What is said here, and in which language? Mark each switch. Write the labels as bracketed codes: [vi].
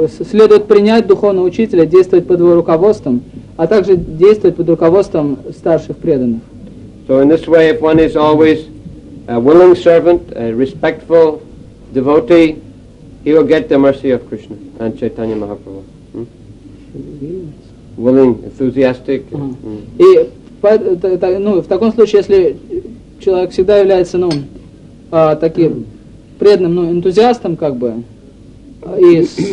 [ru] Следует принять духовного учителя, действовать под его руководством, а также действовать под руководством старших преданных. [en] So in this way, if one is always a willing servant, a respectful devotee, he will get the mercy of Krishna and Chaitanya Mahaprabhu. Willing, enthusiastic. [ru] И в таком случае, если человек всегда является таким преданным, энтузиастом, как бы, и